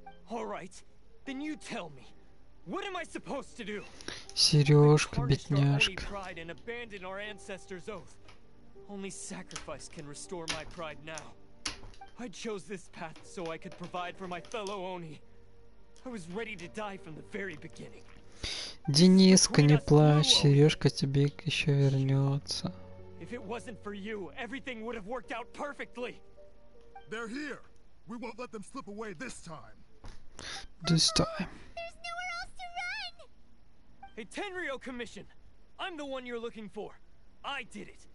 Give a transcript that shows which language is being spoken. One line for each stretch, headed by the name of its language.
English: All right. Then you tell me. What am I supposed to do?
Russian: Серёжка, бедняжка.
English: I've tried and abandoned our ancestors' oath. Only sacrifice can restore my pride now. I chose this path so I could provide for my fellow Oni. I was ready to die from the very beginning.
Russian: Дениска, не плачь, Серёжка тебе ещё вернётся.
English: If it wasn't for you, everything would have worked out perfectly. They're here. We won't let them slip away this time. This time. A Tenryo commission. I'm the one you're looking for. I did it.